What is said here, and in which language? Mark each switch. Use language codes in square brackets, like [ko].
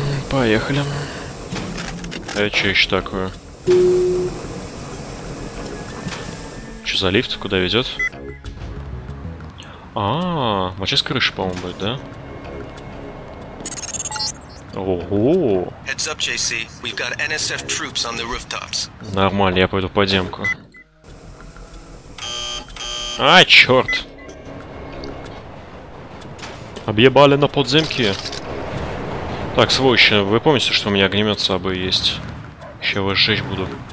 [ru] Поехали. А это что еще такое? Что за лифт? Куда ведет? А-а-а, вот сейчас крыша, по-моему, будет, да? Ого! [en] Heads up, JC. We've got NSF troops on the rooftops. [ru] Нормально, я пойду подземку. А, черт! Объебали на подземке. Так, сволочи, вы помните, что у меня огнемет с собой есть? Еще его сжечь буду.